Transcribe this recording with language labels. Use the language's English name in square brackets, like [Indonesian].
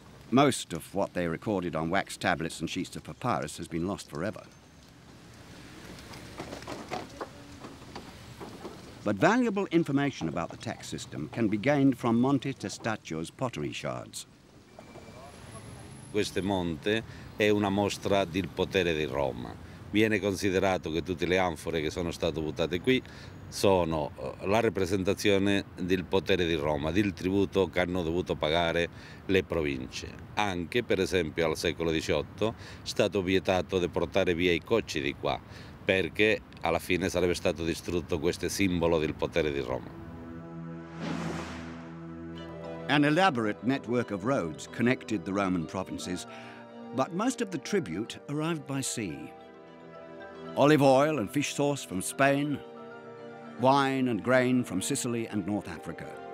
[English] Most of what they recorded on wax tablets and sheets of papyrus has been lost forever. But valuable information about the tax system can be gained from Monte Testaccio's pottery shards. [Italian] Questo monte è una mostra del potere di Roma. Viene considerato che tutte le anfore che sono state buttate qui sono la rappresentazione del potere di Roma, del tributo che hanno dovuto pagare le province. Anche, per esempio, al secolo XVIII è stato vietato di portare via i cocci di qua, perché alla fine sarebbe stato distrutto questo simbolo del potere di Roma. [English] An elaborate network of roads connected the Roman provinces, but most of the tribute arrived by sea. Olive oil and fish sauce from Spain, wine and grain from Sicily and North Africa.